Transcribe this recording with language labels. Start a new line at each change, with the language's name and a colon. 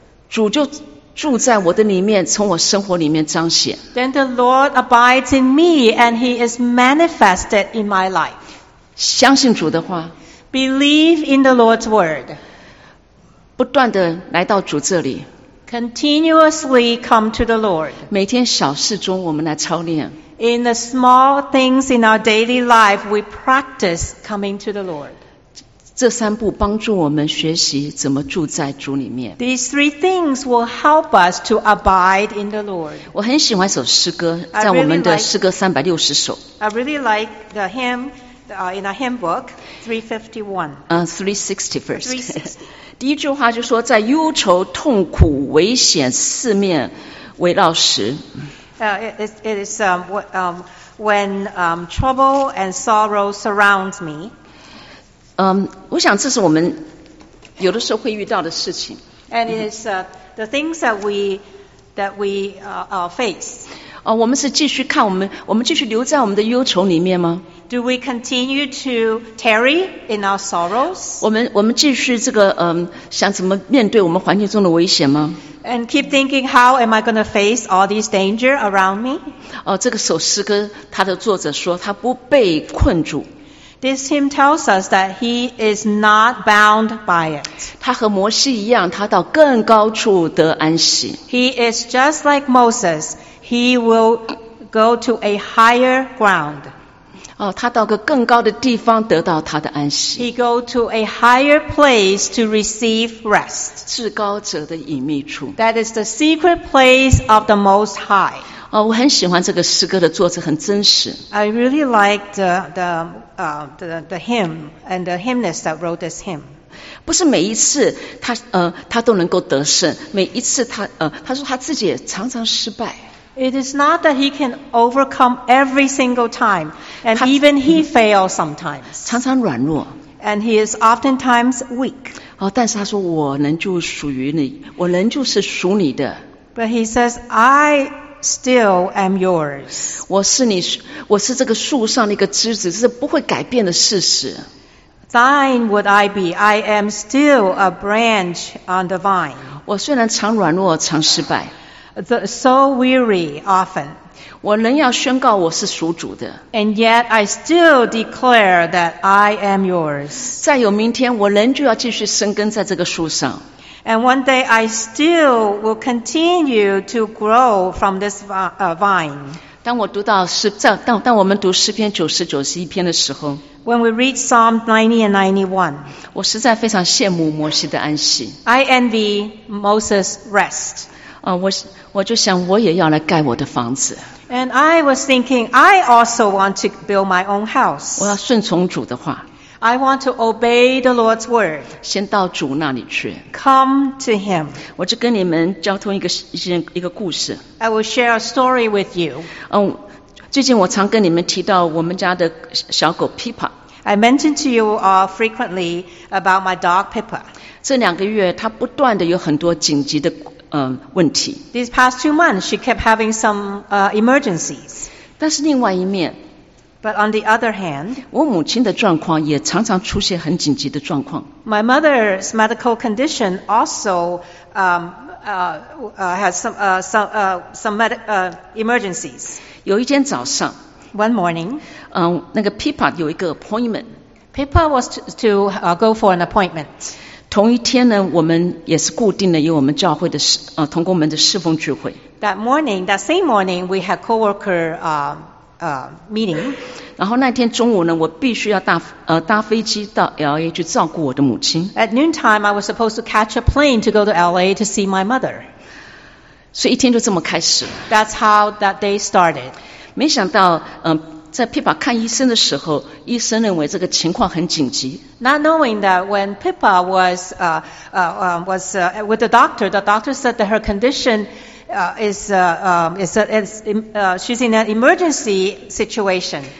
Chinese: 主就。住在我的里面，从我生活里面彰显。
English: Then the Lord abides in me, and He is manifested in my life.
Chinese: 相信主的话。
English: Believe in the Lord's word.
Chinese: 不断地来到主这里。
English: Continuously come to the Lord.
Chinese: 每天小事中我们来操练。
English: In the small things in our daily life, we practice coming to the Lord.
Chinese: 这三步帮助我们学习怎么住在主里面。
English: These three things will help us to abide in the Lord.
Chinese: 我很喜欢一首诗歌，在我们的诗歌360首。
English: I really like the hymn in a hymn book, 351. 360 first. 360.
Chinese: 第一句话就说，在忧愁、痛苦、危险四面围绕时。
English: It is when trouble and sorrow surrounds me.
Chinese: 我想这是我们有的时候会遇到的事情。
English: And it is the things that we face.
Chinese: 我们是继续看我们继续留在我们的忧愁里面吗
English: ？Do we continue to tarry in our sorrows?
Chinese: 我们继续这个想怎么面对我们环境中的危险吗
English: ？And keep thinking how am I going to face all these danger around me?
Chinese: 这个首诗歌它的作者说他不被困住。
English: This hymn tells us that he is not bound by it.
Chinese: 他和摩西一样，他到更高处得安息。
English: He is just like Moses. He will go to a higher ground.
Chinese: 他到个更高的地方得到他的安息。
English: He go to a higher place to receive rest.
Chinese: 至高者的隐秘处。
English: That is the secret place of the Most High.
Chinese: 我很喜欢这个诗歌的作者很真实。
English: I really like the hymn and the hymnist that wrote this hymn.
Chinese: 不是每一次他都能够得胜，每一次他说他自己也常常失败。
English: It is not that he can overcome every single time, and even he fails sometimes.
Chinese: 常常软弱。
English: And he is oftentimes weak.
Chinese: 但是他说我仍旧属于你，我仍旧是属你的。
English: But he says I. Still am yours.
Chinese: 我是这个树上的一个枝子，这是不会改变的事实。
English: Thine would I be. I am still a branch on the vine.
Chinese: 我虽然常软弱，常失败。
English: So weary often.
Chinese: 我仍要宣告我是属主的。
English: And yet I still declare that I am yours.
Chinese: 再有明天，我仍就要继续生根在这个树上。
English: And one day I still will continue to grow from this vine.
Chinese: 当我们读诗篇91篇的时候
English: ，When we read Psalm 90 and 91,
Chinese: 我实在非常羡慕摩西的安息。
English: I envy Moses' rest.
Chinese: 我就想我也要来盖我的房子。
English: And I was thinking I also want to build my own house.
Chinese: 我要顺从主的话。
English: I want to obey the Lord's word.
Chinese: 先到主那里去。
English: Come to Him.
Chinese: 我就跟你们交通一个故事。
English: I will share a story with you.
Chinese: 最近我常跟你们提到我们家的小狗 Pippa.
English: I mentioned to you all frequently about my dog Pippa.
Chinese: 这两个月，它不断的有很多紧急的问题。
English: These past 2 months, she kept having some emergencies.
Chinese: 但是另外一面，
English: But on the other hand,
Chinese: 我母亲的状况也常常出现很紧急的状况。
English: My mother's medical condition also has some emergencies.
Chinese: 有一天早上，
English: One morning,
Chinese: 那个 Pippa 有一个 appointment.
English: Pippa was to go for an appointment.
Chinese: 同一天呢，我们也是固定的有我们教会的同工们的侍奉聚会。
English: That morning, that same morning, we had coworker meeting.
Chinese: 然后那天中午呢，我必须要搭飞机到 LA 去照顾我的母亲。
English: At noontime, I was supposed to catch a plane to go to LA to see my mother.
Chinese: 所以一天就这么开始。
English: That's how that day started.
Chinese: 没想到在 Pippa 看医生的时候，医生认为这个情况很紧急。
English: Not knowing that when Pippa was with the doctor said that her condition she's in an emergency situation.